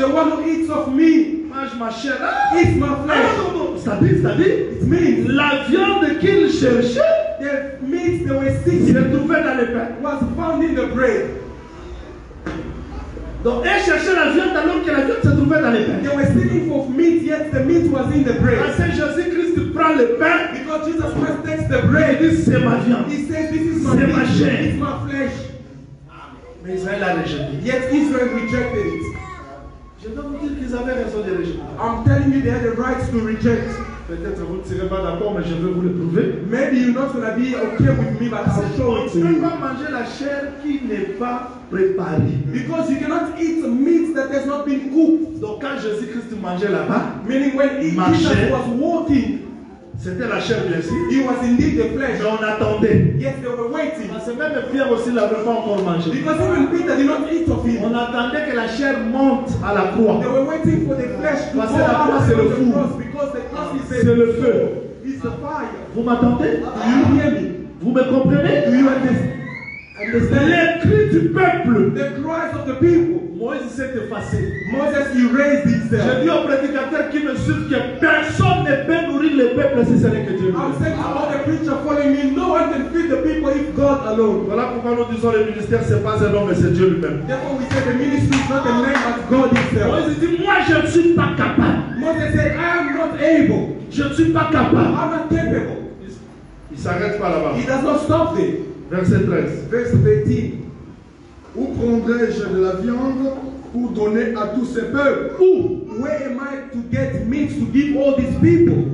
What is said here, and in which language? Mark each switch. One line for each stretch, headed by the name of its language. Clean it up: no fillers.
English: the one who eats of me,
French: mange ma chair,
English: eats my flesh.
French: C'est-à-dire,
English: it means
French: la viande qu'il cherchait,
English: the meat they were seeking,
French: se trouvait dans le pain,
English: was found in the bread.
French: Donc ils cherchaient la viande alors que la viande se trouvait dans le pain.
English: They were seeking for meat, yet the meat was in the bread.
French: Parce que Jésus-Christ prend le pain.
English: Because Jesus Christ takes the bread.
French: Il dit, c'est ma viande.
English: He says this is my
French: meat. C'est ma chair.
English: It's my flesh.
French: Mais Israël a rejeté.
English: Yet Israel rejected it.
French: Je dois vous dire qu'ils avaient raison de rejeter.
English: I'm telling you they had the right to reject.
French: Peut-être vous ne serez pas d'accord, mais je vais vous le prouver.
English: Maybe you're not gonna be okay with me, but I'll show it to you.
French: Tu ne peux pas manger la chair qui n'est pas préparée.
English: Because you cannot eat meat that has not been cooked.
French: Donc quand Jésus-Christ mangeait là-bas,
English: meaning when Jesus was walking,
French: c'était la chair bien sûr.
English: It was indeed the flesh.
French: Mais on attendait.
English: Yes, they were waiting.
French: Parce que même Pierre aussi l'avait pas encore mangé.
English: Because even Peter did not eat of it.
French: On attendait que la chair monte à la croix.
English: They were waiting for the flesh to
French: parce que la croix c'est le feu.
English: Because the cross is
French: c'est le feu.
English: It's the fire.
French: Vous m'attendez?
English: Do you hear me?
French: Vous me comprenez?
English: Do you understand?
French: Les cris du peuple.
English: The cries of the people.
French: Moïse s'est effacé.
English: Moses erased himself.
French: Je dis aux prédicateurs qui me suivent que personne ne peut nourrir le peuple si ce n'est que Dieu.
English: I'm saying to all the preachers following me, no one can feed the people if God alone.
French: Voilà pourquoi nous disons le ministère, c'est pas un homme, mais c'est Dieu lui-même.
English: Therefore we say the ministry is not a man, but God himself.
French: Moïse dit, moi je ne suis pas capable.
English: Moses said, I am not able.
French: Je ne suis pas capable.
English: I'm not capable.
French: Il s'arrête pas là-bas.
English: He does not stop there.
French: Verset 13. Verset 18. Où prendrai-je de la viande pour donner à tous ces peuples? Où?
English: Where am I to get meat to give all these people?